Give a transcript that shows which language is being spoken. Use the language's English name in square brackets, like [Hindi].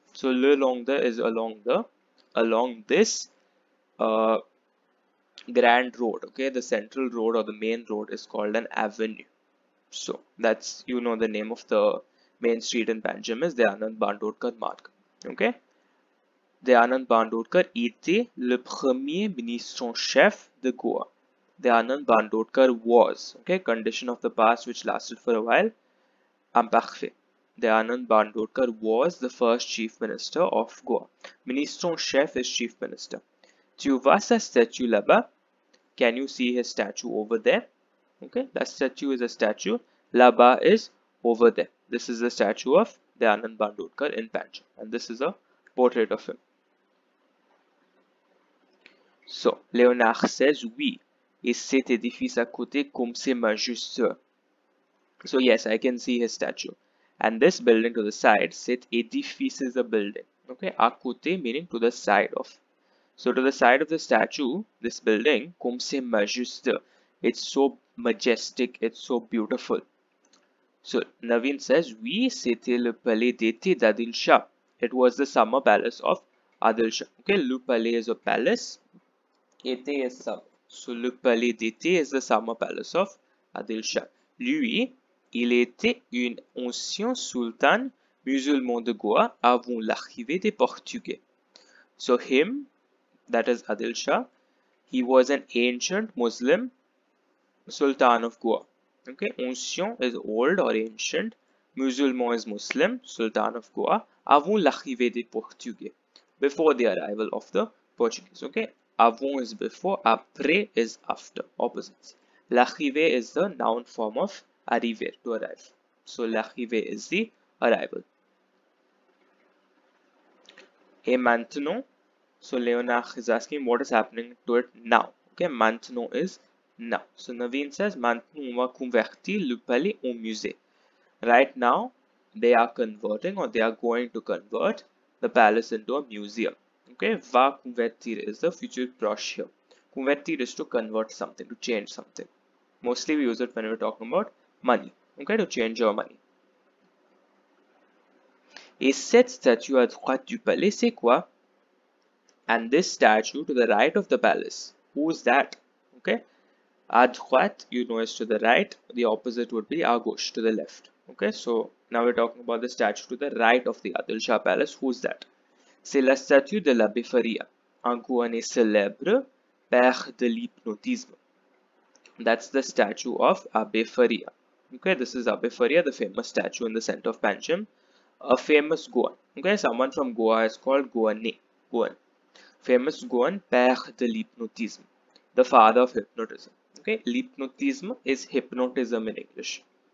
[English] So, [French] le long de [English] is along the, along this grand road. Okay? The central road or the main road is called an avenue. So, that's, you know, the name of the main street in Panjim is de Anand Bandotkar Mark. Okay? [French] Dayanand Bandotkar était le premier ministre en chef de Goa. [English] Dayanand Bandotkar was, okay, condition of the past which lasted for a while, imparfait. Dayanand Bandotkar was the first chief minister of Goa. [French] Ministre en chef [English] is chief minister. [French] Tu vois sa statue là-bas? [English] Can you see his statue over there? Okay, that statue is a statue. Là-bas is over there. This is the statue of Dayanand Bandotkar in Panjim. And this is a portrait of him. So, Léonard says, [French] oui, et cet édifice à côté comme c'est majestueux. [English] So, yes, I can see his statue. And this building to the side, [French] cet édifice [English] is a building. Okay, [French] à côté [English] meaning to the side of. So, to the side of the statue, this building, [French] comme c'est majestueux. [English] It's so majestic, it's so beautiful. So, Navin says, [French] oui, c'était le palais d'été d'Adil Shah. [English] It was the summer palace of Adil Shah. Okay, [French] le palais [English] is a palace. Été is summer. So, [French] le palais d'été [English] is the summer palace of Adil Shah. [French] Lui, il était un ancien sultan musulman de Goa avant l'arrivée des Portugais. [English] So, him, that is Adil Shah, he was an ancient Muslim sultan of Goa. Okay, ancien is old or ancient, musulman is Muslim, sultan of Goa, [French] avant l'arrivée des Portugais, [English] before the arrival of the Portuguese. Okay. Avant is before, après is after, opposites. L'arrivée is the noun form of arriver, to arrive. So, l'arrivée is the arrival. [French] Et maintenant, [English] so Léonard is asking what is happening to it now. Okay, maintenant is now. So, Navin says, [French] maintenant on va convertir le palais au musée. [English] Right now, they are converting or they are going to convert the palace into a museum. Okay, [French] va convertir [English] is the future prochain. Convertir is to convert something, to change something. Mostly we use it when we're talking about money. Okay, to change your money. [French] Et cette statue à droite du palais, c'est quoi? [English] And this statue to the right of the palace, who's that? Okay, à droite, you know, is to the right. The opposite would be [French] à gauche, [English] to the left. Okay, so now we're talking about the statue to the right of the Adil Shah Palace. Who's that? [French] C'est la statue de la Befaria, un Goanais célèbre, père de l'hypnotisme. [English] That's the statue of Abbe Faria. Okay, this is Abbe Faria, the famous statue in the center of Panjim. A famous Goan. Okay, someone from Goa is called Goanais. Goan. Famous Goan, [French] père de l'hypnotisme. [English] The father of hypnotism. Okay, l'hypnotisme is hypnotism in English.